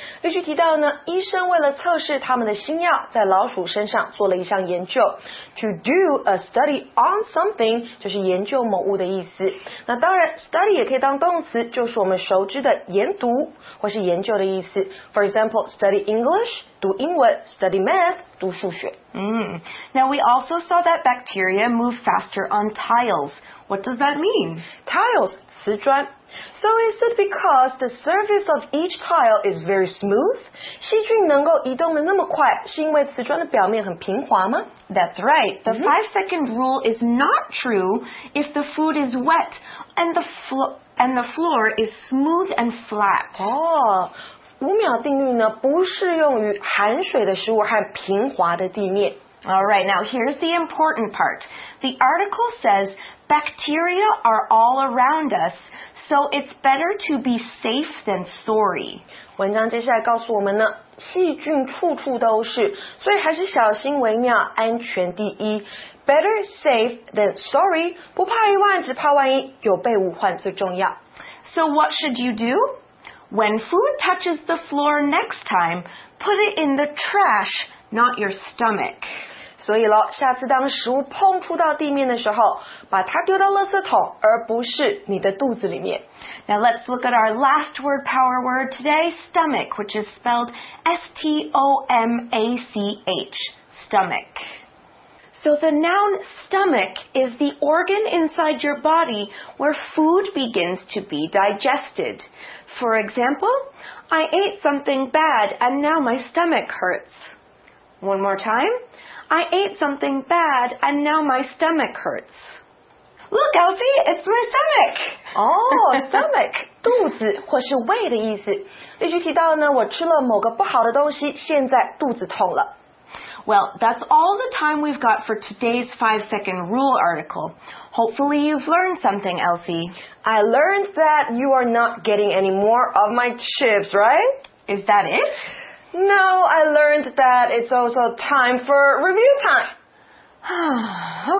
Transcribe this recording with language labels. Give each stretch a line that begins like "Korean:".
Chinese: 例句提到呢，医生为了测试他们的新药，在老鼠身上做了一项研究。
English: To do a study on something
Chinese: 就是研究某物的意思。那当然 ，study 也可以当动词，就是我们熟知的研读或是研究的意思。
English: For example, study English
Chinese: 读英文
English: ，study math
Chinese: 读数学。
English: Now we also saw that bacteria move faster on tiles. What does that mean? Tiles 瓷砖。 So is it because the surface of each tile is very smooth?
Chinese: 细菌能够移动的那么快，是因为瓷砖的表面很平滑吗？
English: That's right. The 5-second rule is not true if the food is wet and the floor is smooth and flat.
Chinese: 哦、oh, ，五秒定律呢，不适用于含水的食物和平滑的地面。
English: All right, now here's the important part. The article says bacteria are all around us, so it's better to be safe than sorry.
Chinese: 文章接下来告诉我们呢，细菌处处都是，所以还是小心为妙，安全第一。
English: Better safe than sorry,
Chinese: 不怕一万，只怕万一，有备无患最重要。
English: So what should you do? When food touches the floor next time, put it in the trash, not your stomach.
Chinese: 所以咯，下次当食物碰触到地面的时候，把它丢到垃圾桶，而不是你的肚子里面。
English: Now let's look at our last word power word today, stomach, which is spelled S-T-O-M-A-C-H, stomach. So the noun stomach is the organ inside your body where food begins to be digested. For example, I ate something bad and now my stomach hurts. One more time. I ate something bad and now my stomach hurts. Look, Elsie, it's my stomach!
Chinese: Oh, stomach, 肚子或是胃的意思。例句提到呢，我吃了某个不好的东西，现在肚子痛了。
English: Well, that's all the time we've got for today's 5-second rule article. Hopefully you've learned something, Elsie. I learned that you are not getting any more of my chips, right? Is that it? No, I learned that it's also time for review time.